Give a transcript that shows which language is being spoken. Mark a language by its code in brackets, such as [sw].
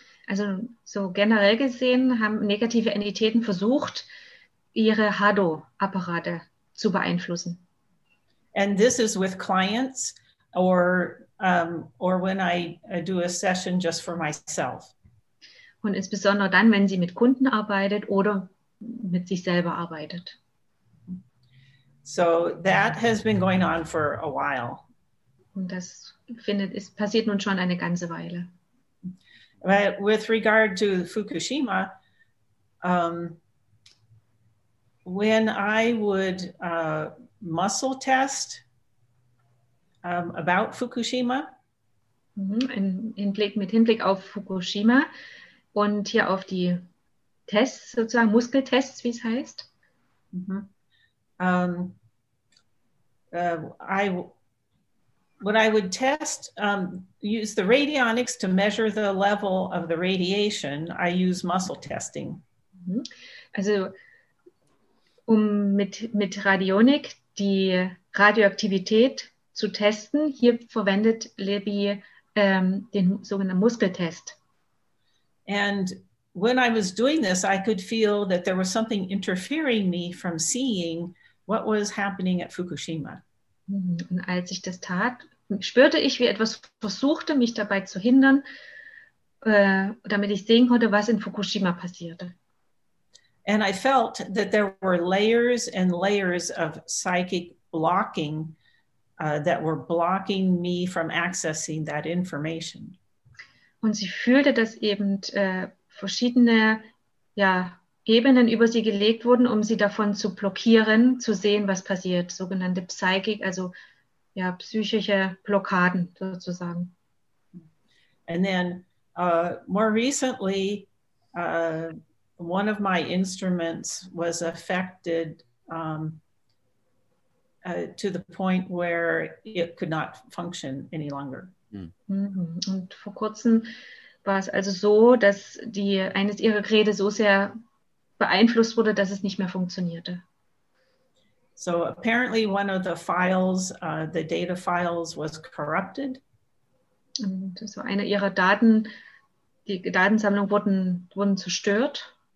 [de] Also so generell gesehen haben negative Entitäten versucht, ihre Hado-Apparate zu beeinflussen. [en] And this is with clients or when I do a session just for myself. [de] Und insbesondere dann, wenn sie mit Kunden arbeitet oder mit sich selber arbeitet. [en] So that has been going on for a while. [de] Und das passiert nun schon eine ganze Weile. [en] But with regard to Fukushima, when I would muscle test about Fukushima, [de] in Hinblick auf Fukushima und hier auf die Tests, sozusagen Muskeltests, wie es heißt. Mm-hmm. [en] What I would test, use the radionics to measure the level of the radiation, I use muscle testing. [de] Also, um mit Radionik die Radioaktivität zu testen, hier verwendet Libby den sogenannten Muskeltest. [en] And when I was doing this, I could feel that there was something interfering me from seeing what was happening at Fukushima. [de] Und als ich das tat, spürte ich, wie etwas versuchte, mich dabei zu hindern, damit ich sehen konnte, was in Fukushima passierte. [en] And I felt that there were layers and layers of psychic blocking that were blocking me from accessing that information. [de] Und sie fühlte, dass eben verschiedene Ebenen über sie gelegt wurden, um sie davon zu blockieren, zu sehen, was passiert. Sogenannte psychic, also psychische Blockaden sozusagen. [en] And then more recently, one of my instruments was affected to the point where it could not function any longer. Mm-hmm. [de] Und vor kurzem war es also so, dass eines ihrer Geräte so sehr beeinflusst wurde, dass es nicht mehr funktionierte. [en] So apparently one of the files, the data files was corrupted. [de] Und so eine ihrer Daten, die Datensammlung wurden zerstört.